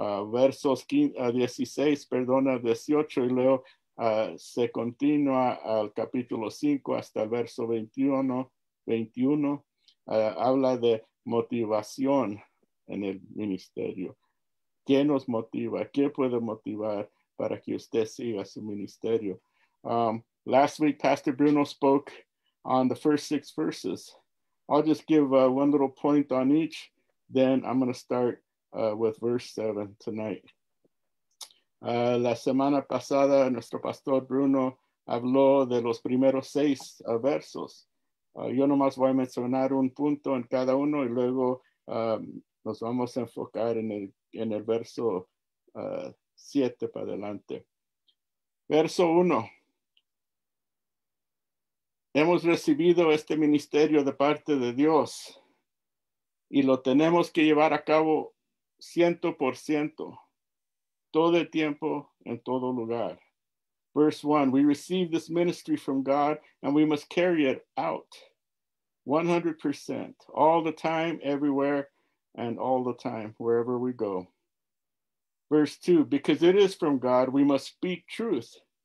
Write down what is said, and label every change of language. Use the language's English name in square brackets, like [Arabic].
[Spanish] Versos 18 y luego se continúa al capítulo 5 hasta el verso 21, habla de motivación en el ministerio. ¿Qué nos motiva? ¿Qué puede motivar para que usted siga su ministerio? [English] Last week, Pastor Bruno spoke on the first 6 verses. I'll just give one little point on each, then I'm going to start with verse 7 tonight. [Spanish] La semana pasada, nuestro pastor Bruno habló de los primeros 6 versos. Yo nomás voy a mencionar un punto en cada uno y luego nos vamos a enfocar en el verso 7 para adelante. Verso 1. Hemos recibido este ministerio de parte de Dios y lo tenemos que llevar a cabo 100%, todo el tiempo, en todo lugar. [English] Verse 1, we receive this ministry from God and we must carry it out 100%, all the time, everywhere, and all the time, wherever we go. Verse 2, because it is from God, we must speak truth.